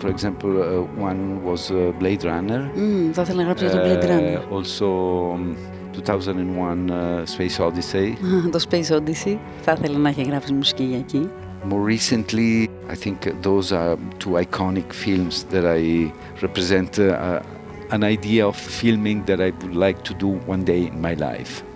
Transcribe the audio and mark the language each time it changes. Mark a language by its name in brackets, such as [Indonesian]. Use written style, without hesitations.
[English] For example, one was Blade Runner. [Greek] Θα ήθελα να γράψω για τον Blade Runner. [English] Also, 2001 Space Odyssey. [Greek] Το Space Odyssey. Θα ήθελα να έχει γράψει μουσική για εκεί. [English] More recently, I think those are two iconic films that I represent an idea of filming that I would like to do one day in my life.